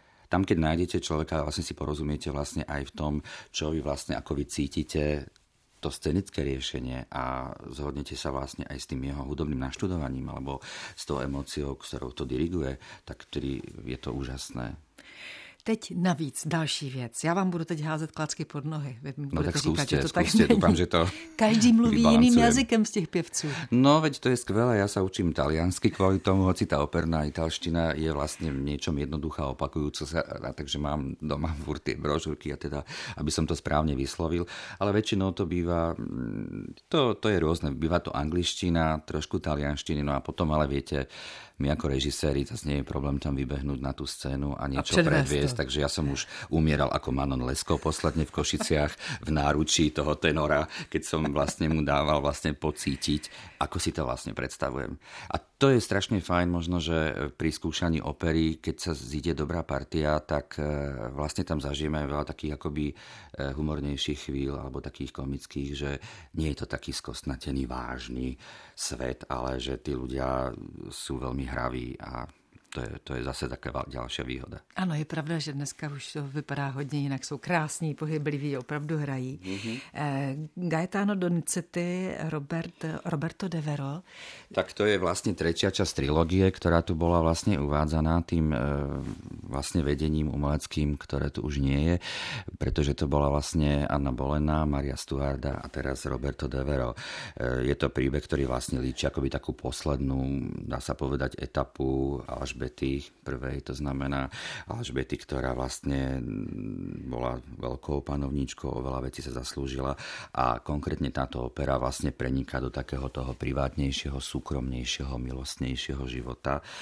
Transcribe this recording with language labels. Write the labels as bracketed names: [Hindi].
[Slovak] Tam, keď nájdete človeka, vlastne si porozumiete vlastne aj v tom, čo vy vlastne ako vy cítite to scenické riešenie a zhodnete sa vlastne aj s tým jeho hudobným naštudovaním alebo s tou emóciou, ktorou to diriguje, tak ktorý je to úžasné. [Czech] Teď navíc další věc. Já vám budu teď házet klacky pod nohy. Vy mi budete říkat, že to tak není. [Slovak] Dúfam, že to [Czech] každý mluví jiným jazykem z těch pěvců. No, veď to je skvělé. Já se učím taliansky kvůli tomu, hoci ta operná italština je vlastně v něčem jednoduchá, opakující se, takže mám doma furt ty brožurky, a teda, [Slovak] aby som [Czech] to správně vyslovil. Ale většinou to bývá, to je různé. Bývá to angličtina, trošku talianštiny, [Slovak] no a potom, ale víte, my ako režiséri, zase nie je problém tam vybehnúť na tú scénu a niečo predviesť. Takže ja som už umieral ako Manon Lescaux posledne v Košiciach v náručí toho tenora, keď som vlastne mu dával vlastne pocítiť, ako si to vlastne predstavujem. A to je strašne fajn možno, že pri skúšaní opery, keď sa zíde dobrá partia, tak vlastne tam zažijeme veľa takých akoby humornejších chvíľ alebo takých komických, že nie je to taký skostnatený, vážny svet, ale že tí ľudia sú veľmi hraví a to je zase taková ďalšia výhoda. [Czech] Ano, je pravda, že dneska už to vypadá hodně jinak. Jsou krásní, pohybliví, opravdu hrají. Gaetano Donizetti, Roberto de Vero. Tak to je vlastně třetí část trilogie, která tu byla vlastně uvádzaná tím vlastně vedením uměleckým, které tu už nie je, protože to byla vlastně Anna Bolena, Maria Stuarda a teraz Roberto de Vero. Je to příběh, který vlastně líčí jakoby takovou poslední, [Slovak] dá se povedať, etapu Alžbety prvej, to znamená Alžbety, ktorá vlastne bola veľkou panovníčkou, o veľa vecí sa zaslúžila a konkrétne táto opera vlastne preniká do takého toho privátnejšieho, súkromnejšieho, milostnejšieho života.